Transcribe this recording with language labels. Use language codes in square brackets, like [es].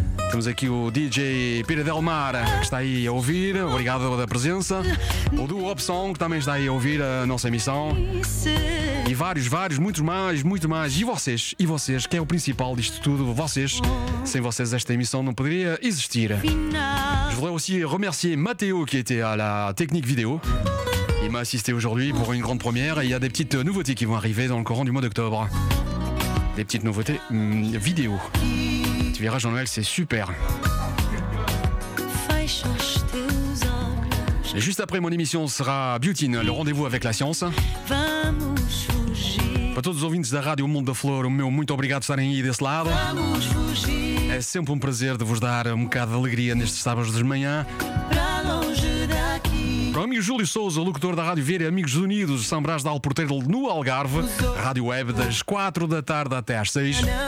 [pt] Temos aqui o DJ Pira Del Mar, que está aí a ouvir. Obrigado pela presença. O Duo Opção, que também está aí a ouvir a nossa emissão. E vários, vários, muitos mais. E vocês, que é o principal disto tudo, vocês. Sem vocês esta emissão não poderia existir. [fr] Je voudrais aussi remercier Matteo, qui était à la technique vidéo. Il m'a assisté aujourd'hui pour une grande première. Et il y a des petites nouveautés qui vont arriver dans le courant du mois d'octobre. Des petites nouveautés vidéo. Tu verras, Jean-Noël, c'est super. Et juste après mon émission sera Beauty, le rendez-vous avec la science. [pt] Para todos os ouvintes da Rádio Mundo da Flor, o meu muito obrigado por estarem aí desse lado. É sempre um prazer de vos dar um bocado de alegria nestes sábados de manhã. Para o amigo Júlio Sousa, locutor da Rádio Vieira e Amigos Unidos, São Brás de Alporteiro no Algarve, Rádio Web das 4 da tarde até às 6.